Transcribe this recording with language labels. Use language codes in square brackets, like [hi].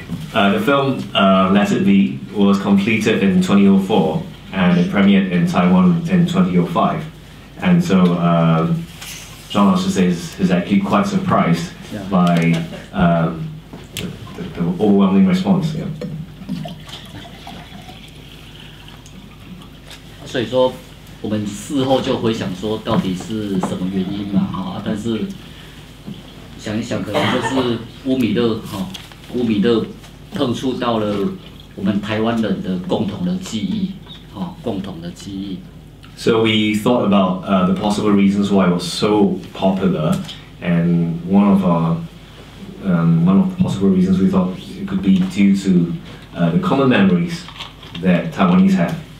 [en] The film Letter V was completed in 2004 and it premiered in Taiwan in 2005. And so John also says he's actually quite surprised by the overwhelming response. Yeah. [zh] 所以说我们事后就回想说到底是什么原因嘛，但是想一想可能就是乌米勒，乌米勒碰触到了我们台湾人的共同的记忆，共同的记忆。 [en] So we thought about the possible reasons why it was so popular, and one of our one of the possible reasons we thought it could be due to the common memories that Taiwanese have.